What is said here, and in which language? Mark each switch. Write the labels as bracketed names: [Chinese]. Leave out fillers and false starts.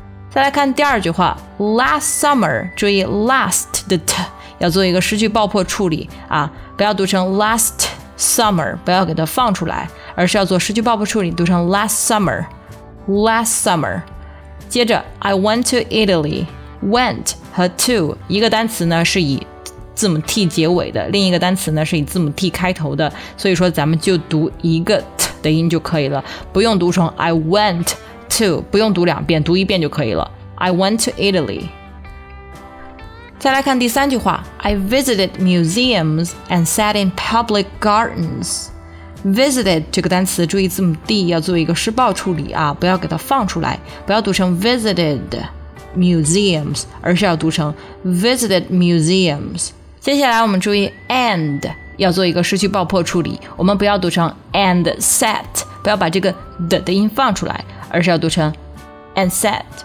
[Chinese] 再来看第二句话 ， [English] Last summer， [Chinese] 注意 last 的 t 要做一个失去爆破处理啊，不要读成 [English] last summer， [Chinese] 不要给它放出来，而是要做失去爆破处理，读成 last summer。接着 [English] ，I went to Italy。 [Chinese] Went 和 to 一个单词呢是以字母 t 结尾的，另一个单词呢是以字母 t 开头的，所以说咱们就读一个 t 的音就可以了，不用读成 [English] I went to， [Chinese] 不用读两遍，读一遍就可以了。 [English] I went to Italy。 [Chinese] 再来看第三句话 [English] ，I visited museums and sat in public gardens。 [Chinese] Visited 这个单词，注意字母 d 要做一个失爆处理啊，不要给它放出来，不要读成 [English] visited museums， [Chinese] 而是要读成 visited museums。接下来我们注意 and 要做一个失去爆破处理，我们不要读成 [English] and sat， [Chinese] 不要把这个 的音放出来，而是要读成 and sat。